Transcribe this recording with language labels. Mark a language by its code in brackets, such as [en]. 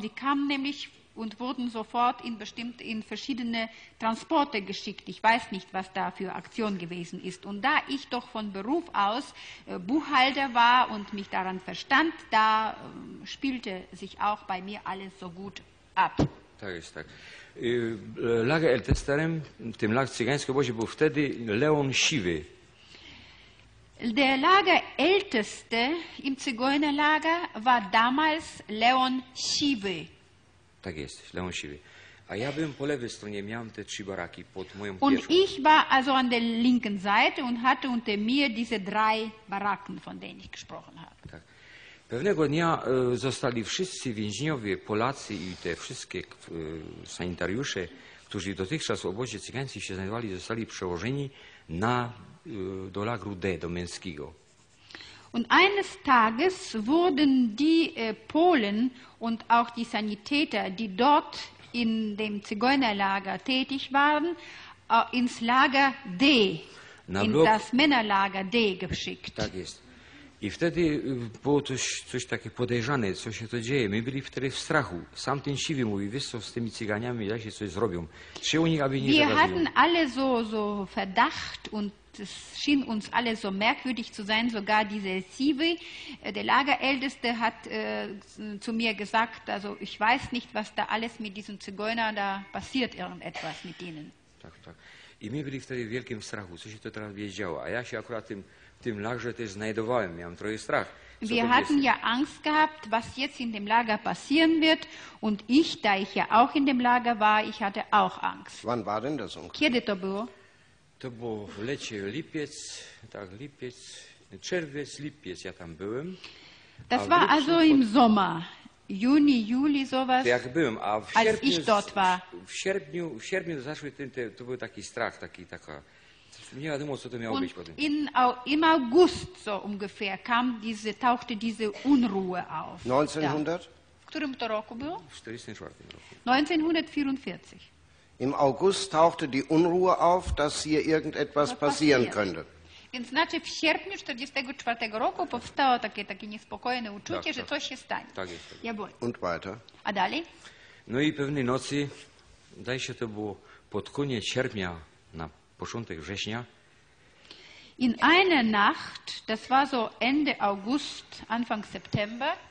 [de] Sie kamen nämlich und wurden sofort in verschiedene Transporte geschickt. Ich weiß nicht, was da für Aktion gewesen ist. Und da ich doch von Beruf aus Buchhalter war und mich daran verstand, da spielte sich auch bei mir alles so gut ab. [pl] Tak jest tak. Lagerältesterem, tym lag cygańskim obozie, był wtedy Leon Siwy. [de] Der Lagerälteste im Zigeunerlager war damals Leon Siwy. [pl] Tak jest, Leon Siwy. A ja byłem po lewej stronie, miałem te trzy baraki pod moją pieczą. [de] Und ich war also an der linken Seite und hatte unter mir diese drei Baracken, von denen ich gesprochen habe. [pl] Tak. Pewnego dnia zostali wszyscy więźniowie, Polacy i te wszystkie sanitariusze, którzy dotychczas w obozie cygańskim się znajdowali, zostali przełożeni na do lagru D, do męskiego. [de] Und eines Tages wurden die Polen und auch die Sanitäter, die dort in dem Zigeunerlager tätig waren, ins Lager D, in das Männerlager D geschickt. [pl] Tak jest. I wtedy było coś takie podejrzane, co się to dzieje. My byli wtedy w strachu. Sam ten Siwy mówi, wiesz co, z tymi cyganiami, jak się coś zrobią. Czy u nich, aby nie zagadują. [de] Wir hatten alle so Verdacht und es schien uns alle so merkwürdig zu sein, sogar dieser Siwy, der Lagerälteste, hat zu mir gesagt, also ich weiß nicht, was da alles mit diesen Zigeunern da passiert, irgendetwas mit ihnen. [pl] Tak, tak. I my byli wtedy w wielkim strachu, co się to teraz będzie działo. A ja się akurat tym lagrze też znajdowałem, miałem trochę strach. [de] Wir hatten ja Angst gehabt, was jetzt in dem Lager passieren wird. Und ich, da ich ja auch in dem Lager war, ich hatte auch Angst. Wann war denn das Unglück? [pl] Kiedy to było? To było w lecie lipiec, tak lipiec, czerwiec, lipiec, ja tam byłem. [de] Das war also im Sommer, Juni, Juli, sowas, [pl] jak byłem, a w [de] als [pl] sierpniu, [de] ich dort war. [pl] W sierpniu zaszły, to był taki strach, taka, nie wiadomo, co to miało [de] und [pl] być potem. [de] Im August so ungefähr kam tauchte diese Unruhe auf. 1900? [pl] Da. W którym to roku było? W 1944 roku. 1944. [de] Im August tauchte die Unruhe auf, dass hier irgendetwas passieren könnte. [pl] Więc znaczy w sierpniu 44 roku powstało takie niespokojne uczucie, że coś się stanie. Tak jest. Ja byłem. [de] Und weiter. [pl] A dalej? No i pewnej nocy, daj się to było pod koniec sierpnia, na początek września. [de] In einer Nacht, das war so Ende August, Anfang September.